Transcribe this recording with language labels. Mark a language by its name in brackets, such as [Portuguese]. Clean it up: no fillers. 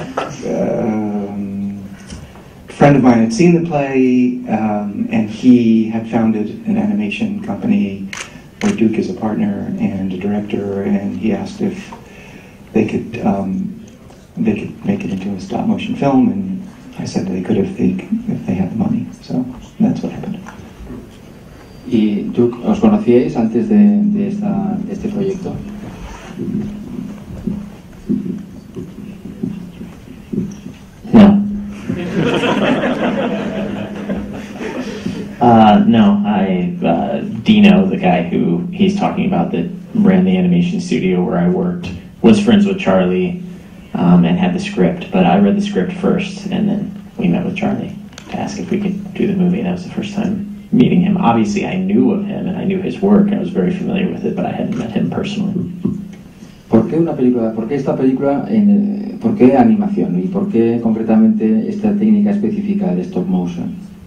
[English] A friend of mine had seen the play, and he had founded an animation company where Duke is a partner and a director, and he asked if they could make it into a stop motion film, and I said they could if they had the money. So that's what happened. [Spanish] ¿Y tú os conocíais antes de este proyecto? [English] No. Dino, the guy who he's talking about that ran the animation studio where I worked, was friends with Charlie and had the script, but I read the script first and then we met with Charlie to ask if we could do the movie, and that was the first time meeting him. Obviously, I knew of him and I knew his work. I was very familiar with it, but I hadn't met him personally. [Spanish] ¿Por qué una película? ¿Por qué esta película? ¿Por qué animación? ¿Y por qué concretamente esta técnica específica de stop motion?